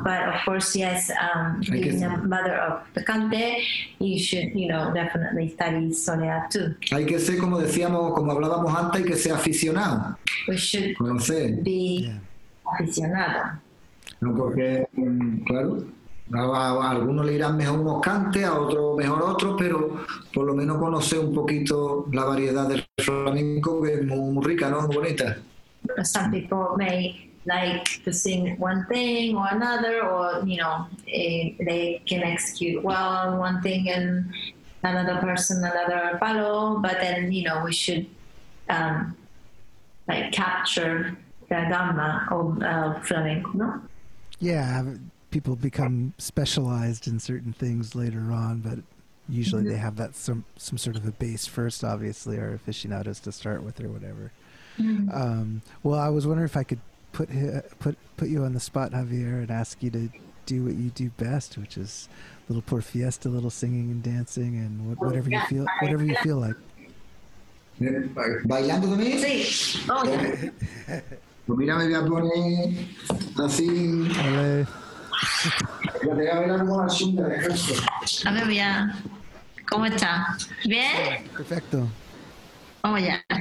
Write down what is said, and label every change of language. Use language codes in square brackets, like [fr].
[en] But of course, yes, being the mother of the cante, you should, you know, definitely study Soleá too. [es] Hay que ser, como decíamos, como hablábamos antes, hay que ser aficionado. [en] We should be aficionado. [es] No, porque, claro. A algunos le irán mejor unos cantes, a otros mejor otros, pero por lo menos conocer un poquito la variedad del flamenco, que es muy, muy rica, ¿no? Muy bonita. [en] Some people may like to sing one thing or another, or, you know, they can execute well on one thing and another person another palo, but then, you know, we should like capture the gamma of flamenco, ¿no? Yeah. People become specialized in certain things later on, but usually they have that some sort of a base first, obviously, or aficionados to start with or whatever. Mm-hmm. Well, I was wondering if I could put you on the spot, Javier, and ask you to do what you do best, which is a little por fiesta, a little singing and dancing, and whatever you feel like. [es] ¿Bailando también? Sí. Pues mira, me voy a poner así. Vale. Ya te voy a ver algo así. A ver, mira. ¿Cómo está? ¿Bien? Perfecto. Vamos ya.